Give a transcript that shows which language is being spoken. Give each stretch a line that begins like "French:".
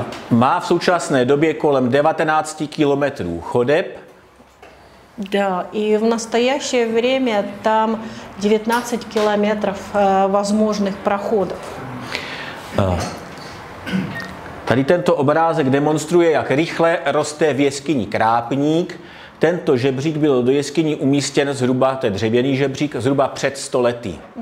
Czech: Má v současné době kolem 19 kilometrů chodeb.
Russian: Да, и в настоящее время там 19 километров возможных проходов.
Czech: Tady tento obrázek demonstruje, jak rychle roste v jeskyni krápník. Tento žebřík byl do jeskyni umístěn zhruba, to je dřevěný žebřík, zhruba před 100 lety.